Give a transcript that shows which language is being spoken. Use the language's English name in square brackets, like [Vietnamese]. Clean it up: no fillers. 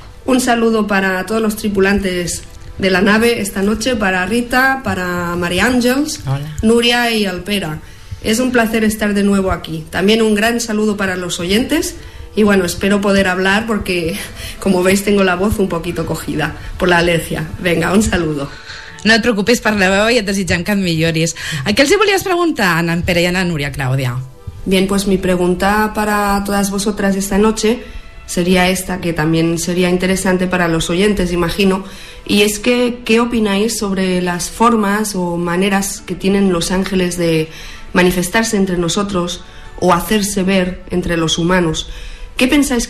[Spanish] Un saludo para todos los tripulantes de la nave esta noche, para Rita, para María Ángels, Núria y Alpera. Es un placer estar de nuevo aquí. También un gran saludo para los oyentes. Y bueno, espero poder hablar porque, como veis, tengo la voz un poquito cogida por la alergia. Venga, un saludo. [Catalan] No et preocupis per la veu i et desitgem que et milloris. A què els hi volies preguntar, a en Pere i a en Núria, Clàudia? [Spanish] Bien, pues mi pregunta para todas vosotras esta noche sería esta, que también sería interesante para los oyentes, imagino. Y es que, ¿qué opináis sobre las formas o maneras que tienen los ángeles de manifestarse entre nosotros o hacerse ver entre los humanos? ¿Qué pensáis?